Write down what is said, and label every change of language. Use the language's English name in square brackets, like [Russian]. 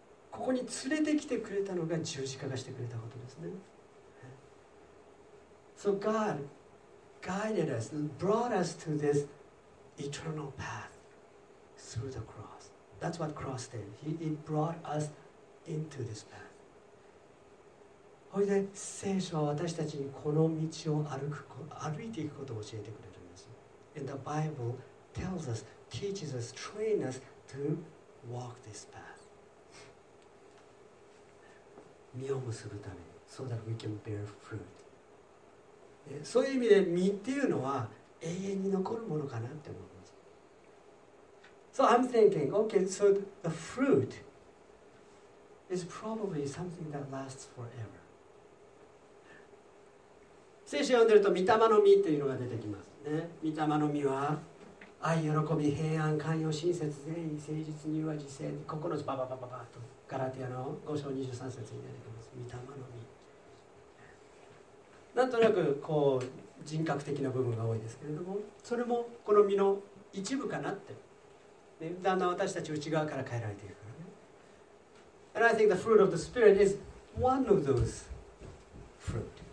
[Japanese] ここに連れてきてくれたのが十字架がしてくれたことですね。 [English] So God guided us, brought us to this eternal path through the cross. That's what cross did. He brought us into this path. [Japanese] ほいで聖書は私たちにこの道を歩いていくことを教えてくれるんですよ。 [English] And the Bible tells us,teaches us, train us to walk this path. [Japanese] 実を結ぶために [English] so that we can bear fruit. [Japanese] そういう意味で実っていうのは永遠に残るものかなって思います。 [English] So I'm thinking, okay, so the fruit is probably something that lasts forever. [Japanese] 聖書読んでると御霊の実っていうのが出てきますね。御霊の実は愛、喜び、平安、寛容、親切、善意、誠実、柔和、自制、心地、ババババババと、ガラティアの5章23節に出てきます。御霊の実。なんとなくこう人格的な部分が多いですけれども、それもこの実の一部かなって。ね、だんだん私たち内側から変えられていくからね。 [English] And I think the fruit of the Spirit is one of those fruit.